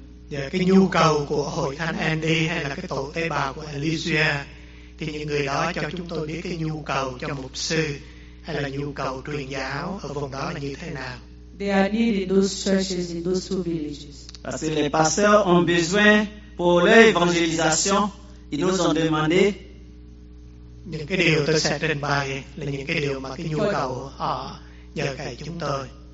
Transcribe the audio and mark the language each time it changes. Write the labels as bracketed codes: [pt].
[vi] Cái nhu cầu của hội thánh Andy hay là cái tổ tế bào của Elysia thì những người đó cho chúng tôi biết cái nhu cầu cho mục sư hay là nhu cầu truyền giáo ở vùng đó là như thế nào. [en] They are needed those churches in those two villages. [fr] Parce que les pasteurs ont besoin pour leur évangélisation. Ils nous ont demandé [vi] những cái điều tôi sẽ trình bày là những cái điều mà cái nhu cầu họ nhờ cậy chúng tôi.